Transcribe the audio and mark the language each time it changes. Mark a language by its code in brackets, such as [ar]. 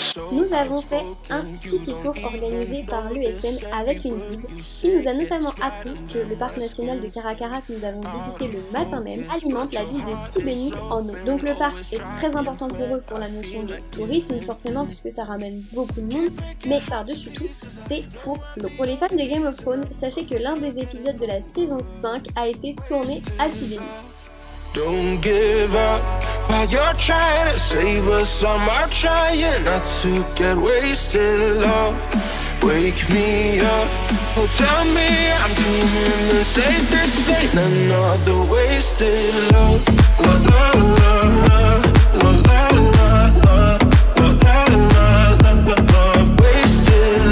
[fr] Nous avons fait un city tour organisé par l'USN avec une guide qui nous a notamment appris que le parc national de Caracara que nous avons visité le matin même alimente la ville de Šibenik en eau. Donc le parc est très important pour eux pour la notion de tourisme forcément puisque ça ramène beaucoup de monde, mais par-dessus tout c'est pour l'eau. Pour les fans de Game of Thrones, sachez que l'un des épisodes de la saison 5 a été tourné à Šibenik. [en] Don't give up while you're trying to save us. I'm trying not to get wasted, love. Wake me up, oh, tell me I'm doing the same. This ain't another wasted love. La la la la la la la la la la la la la la la la la la la la la la la la la la la la la la la la la la la la la la la